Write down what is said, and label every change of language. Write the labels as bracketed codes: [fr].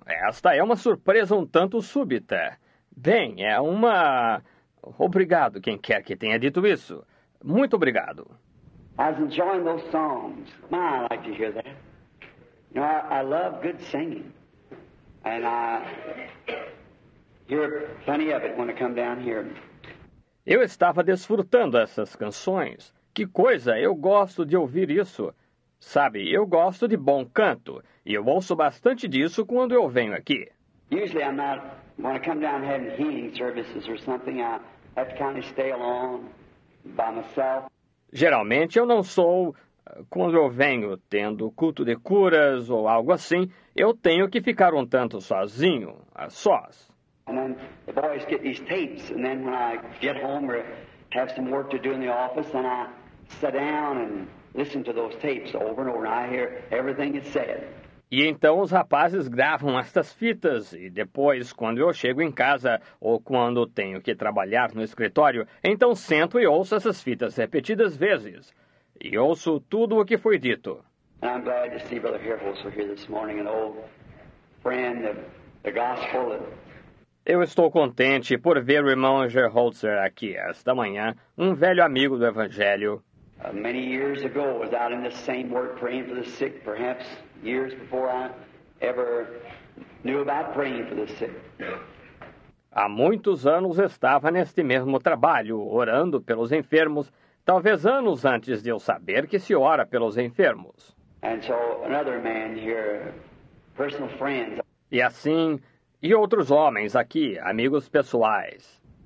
[pt] Esta é uma surpresa um tanto súbita. Bem, é uma... Obrigado, quem quer que tenha dito isso. Muito obrigado. [en] I was enjoying those songs. My, I like to hear that. You know, I love good singing. And I hear plenty of it when I come down here. [pt] Eu estava desfrutando essas canções. Que coisa, eu gosto de ouvir isso. Sabe, eu gosto de bom canto, e eu ouço bastante disso quando eu venho aqui. [en] Usually I'm not, when I come down having healing services or something, I have to kind of stay alone by myself. [pt] Geralmente eu não sou, quando eu venho tendo culto de curas ou algo assim, eu tenho que ficar um tanto sozinho, a sós. [en] And then the boys get these tapes, and then when I get home or have some work to do in the office, then I sit down and listen to those tapes over and over, and I hear everything it said. [pt] E então os rapazes gravam estas fitas, e depois, quando eu chego em casa, ou quando tenho que trabalhar no escritório, então sento e ouço essas fitas repetidas vezes, e ouço tudo o que foi dito. [en] And I'm glad to see Brother Herholz here this morning, an old friend of the gospel. [pt] Eu estou contente por ver o irmão Herholz aqui esta manhã, um velho amigo do Evangelho. [en] Many years ago, I was out in the same work praying for the sick, perhaps years before I ever knew about praying for the sick. [pt] Há muitos anos estava neste mesmo trabalho, orando pelos enfermos, talvez anos antes de eu saber que se ora pelos enfermos. [en] And so another man here, personal friends. [pt] E assim, e outros homens aqui, amigos pessoais.